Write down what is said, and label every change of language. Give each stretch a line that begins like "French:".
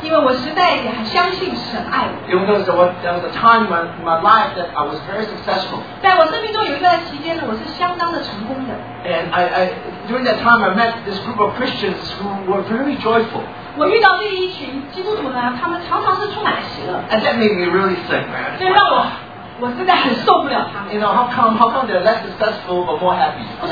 Chinese: 因为我实在也很相信神爱我。
English: Even though there was a time in my life that I was very successful.
Chinese: 在我生命中有一段期间呢，我是相当的成功的。
English: And during that time, I met this group of Christians who were very joyful.
Chinese: 我遇到这一群基督徒呢，他们常常是充满喜乐。
English: And that made me really sick, man.
Chinese: 这让我实在很受不了他们。
English: You know, how come they're less successful but more happy?